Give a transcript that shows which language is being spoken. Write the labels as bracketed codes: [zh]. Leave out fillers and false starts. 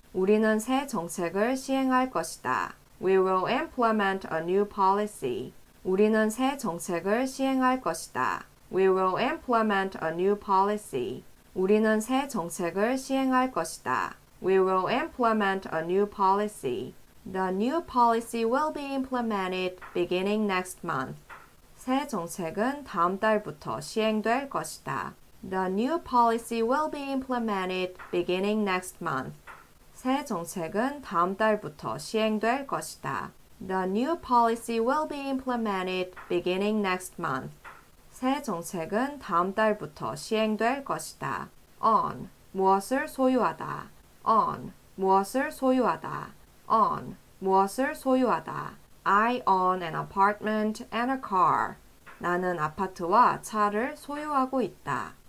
[ko] 우리는 새 정책을 시행할 것이다. [en] We will implement a new policy. [ko] 우리는 새 정책을 시행할 것이다. [en] We will implement a new policy. [ko] 우리는 새 정책을 시행할 것이다. [en] We will implement a new policy. The new policy will be implemented beginning next month. [ko] 새 정책은 다음 달부터 시행될 것이다. [en] The new policy will be implemented beginning next month. [ko] 새 정책은 다음 달부터 시행될 것이다. [en] The new policy will be implemented beginning next month. [ko] 새 정책은 다음 달부터 시행될 것이다. On. 무엇을 소유하다. On. 무엇을 소유하다. On. 무엇을 소유하다. [en] I own an apartment and a car. [ko] 나는 아파트와 차를 소유하고 있다.